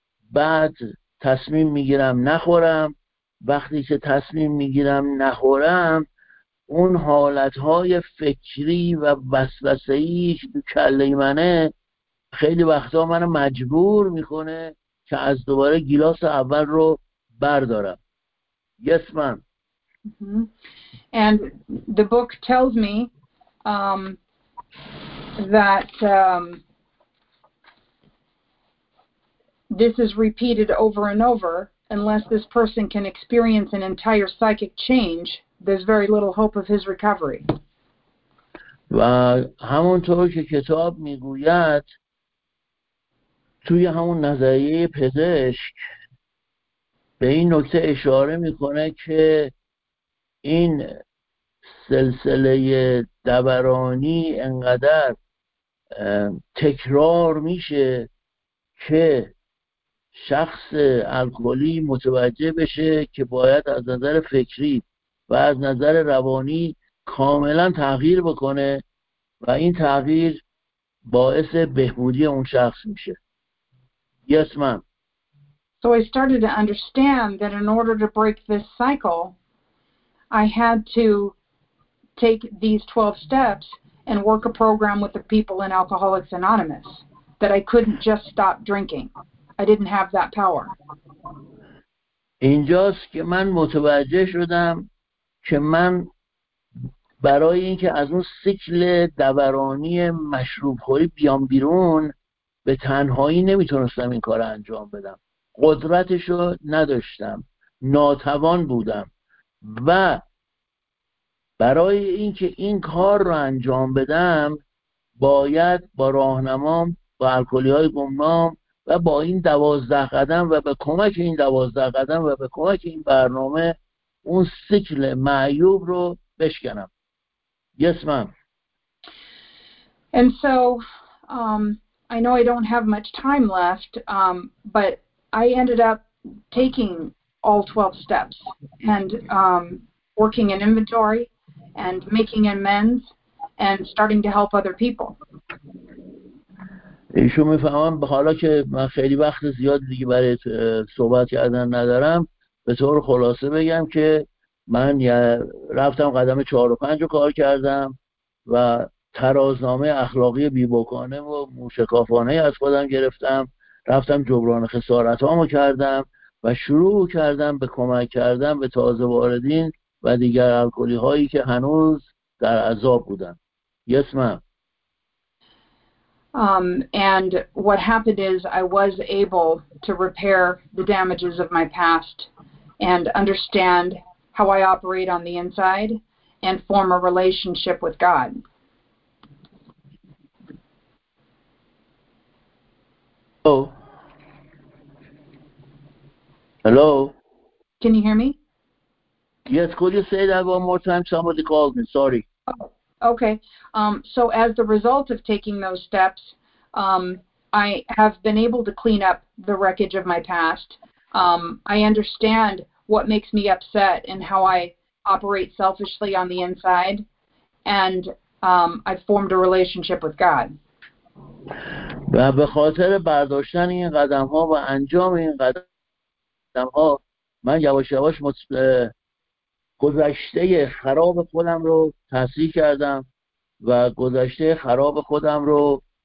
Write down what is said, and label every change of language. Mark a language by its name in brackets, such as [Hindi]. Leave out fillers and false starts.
[Persian] بعد تصمیم می‌گیرم نخورم، وقتی که تصمیم می‌گیرم نخورم اون حالت‌های فکری و وسوسه‌ای که کله منه خیلی وقتا منو مجبور می‌کنه که از دوباره گلاس اول رو بردارم. [English] Yes, ma'am. Mm-hmm. And the book tells me that this is repeated over and over. Unless this person can experience an entire psychic change, there's very little hope of his recovery. [Persian] و همونطور که کتاب میگوید توی همون نظریه پزشک به این نکته اشاره میکنه که این سلسله دورانی انقدر تکرار میشه که شخص الکلی متوجه بشه که باید از نظر فکری و از نظر روانی کاملا تغییر بکنه و این تغییر باعث بهبودی اون شخص میشه. [English] Yes, ma'am. So I started to understand that in order to break this cycle, I had to take these 12 steps and work a program with the people in Alcoholics Anonymous, that I couldn't just stop drinking. I didn't have that power. [Persian] اینجاست که من متوجه شدم که من برای اینکه از اون سیکل دورانی مشروب خوری بیام بیرون به تنهایی نمیتونستم این کار انجام بدم. قدرتشو نداشتم. ناتوان بودم. و برای اینکه این کار رو انجام بدم باید با راهنمام، با الکلی‌های گمنام و با این 12 قدم و به کمک این 12 قدم و به کمک این برنامه اون سیکل معیوب رو بشکنم. [English] Yes, ma'am. And so I know I don't have much time left, but I ended up taking all 12 steps and working in inventory and making amends and starting to help other people. [Persian] ایشون میفهمم حالا که من خیلی وقت زیاد دیگه برای صحبت کردن ندارم، به طور خلاصه بگم که من رفتم قدم 4 و 5 رو کار کردم و ترازنامه اخلاقی بیبکانه و موشکافانه از خودم گرفتم، رفتم جبران خسارت هامو کردم و شروع کردم به کمک کردم به تازه واردین و دیگر الکلی هایی که هنوز در عذاب بودن. [English] Yes, ma'am. And what happened is I was able to repair the damages of my past and understand how I operate on the inside and form a relationship with God. Hello. Can you hear me? Yes, could you say that one more time? Somebody called me, sorry. Okay. So as the result of taking those steps, I have been able to clean up the wreckage of my past. I understand what makes me upset and how I operate selfishly on the inside, and I've formed a relationship with God. [Persian] و به خاطر برداشتن این قدم‌ها و انجام این قدم‌ها من یواش یواش گذشته خراب خودم رو تصحیح کردم و گذشته خراب خودم رو